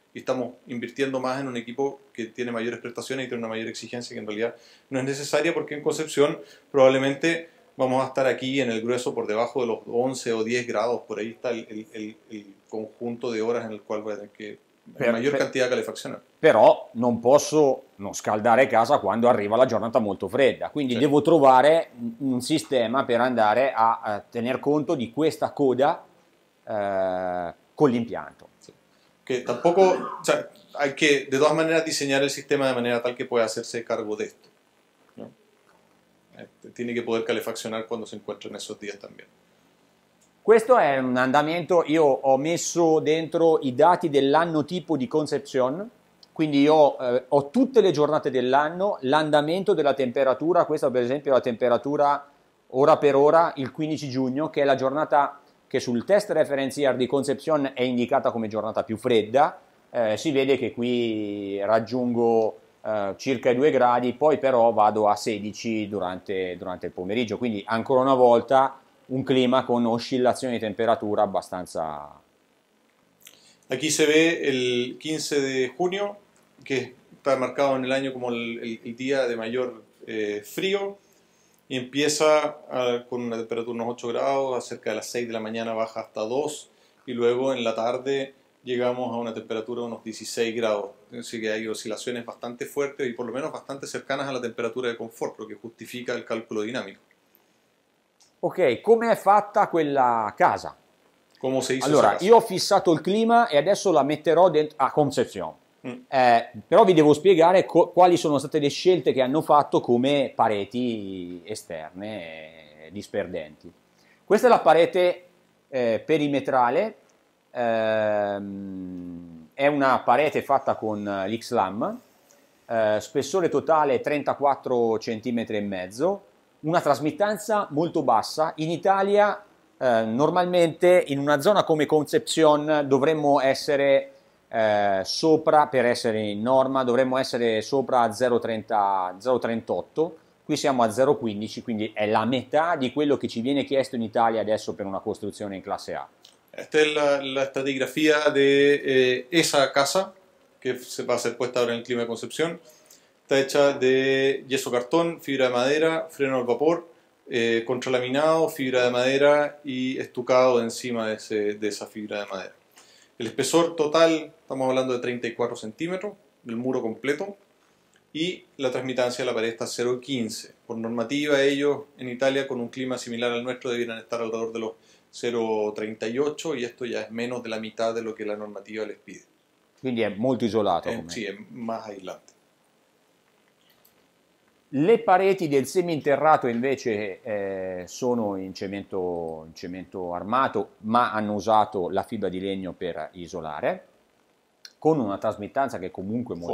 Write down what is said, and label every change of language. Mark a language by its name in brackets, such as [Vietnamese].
[Spanish] Y estamos invirtiendo más en un equipo que tiene mayores prestaciones y tiene una mayor exigencia que en realidad no es necesaria porque en Concepción probablemente vamos a estar aquí en el grueso por debajo de los 11 o 10 grados. Por ahí está el conjunto de horas en el cual voy a tener que mayor cantidad de calefacción. [Italian] Però non posso non scaldare casa quando arriva la giornata molto fredda, quindi sì. Devo trovare un sistema per andare a tener conto di questa coda con l'impianto. Che sì. [Spanish] Tampoco, cioè, hay que de todas maneras diseñar el sistema de manera tal que pueda hacerse cargo de esto. No? Tiene que poder calefaccionar cuando se encuentra en esos días también. [Italian] Questo è un andamento, io ho messo dentro i dati dell'anno tipo di Concepción, quindi io ho tutte le giornate dell'anno, l'andamento della temperatura, questa per esempio è la temperatura ora per ora, il 15 giugno, che è la giornata che sul test reference year di Concepción è indicata come giornata più fredda, si vede che qui raggiungo circa 2 gradi, poi però vado a 16 durante il pomeriggio, quindi ancora una volta un clima con oscillazioni di temperatura abbastanza. [Spanish] Aquí se ve el 15 de junio, que está marcado en el año como el día de mayor frío, y empieza con una temperatura de unos 8 grados, acerca de las 6 de la mañana baja hasta 2, y luego en la tarde llegamos a una temperatura de unos 16 grados. Así que hay oscilaciones bastante fuertes y por lo menos bastante cercanas a la temperatura de confort, lo que justifica el cálculo dinámico. [Italian] Ok, come è fatta quella casa? Come si dice? Allora, io ho fissato il clima e adesso la metterò dentro a Concepción. Però vi devo spiegare quali sono state le scelte che hanno fatto come pareti esterne disperdenti. Questa è la parete perimetrale, è una parete fatta con l'XLAM, spessore totale 34 cm e mezzo. Una trasmittanza molto bassa. In Italia normalmente in una zona come Concepción dovremmo essere sopra, per essere in norma, dovremmo essere sopra 0,38, qui siamo a 0,15, quindi è la metà di quello che ci viene chiesto in Italia adesso per una costruzione in classe A. Questa è la stratigrafia di [Spanish] esa casa [Italian] che se va a essere puesta ora nel clima di Concepción. [Spanish] Está hecha de yeso cartón, fibra de madera, freno al vapor, contralaminado, fibra de madera y estucado encima de esa fibra de madera. El espesor total, estamos hablando de 34 centímetros, del muro completo, y la transmitancia de la pared está 0,15. Por normativa, ellos en Italia, con un clima similar al nuestro, debieran estar alrededor de los 0,38 y esto ya es menos de la mitad de lo que la normativa les pide. Quindi es muy isolado. Sí, es más aislante. [Italian] Le pareti del seminterrato invece sono in cemento armato, ma hanno usato la fibra di legno per isolare, con una trasmittanza che è comunque molto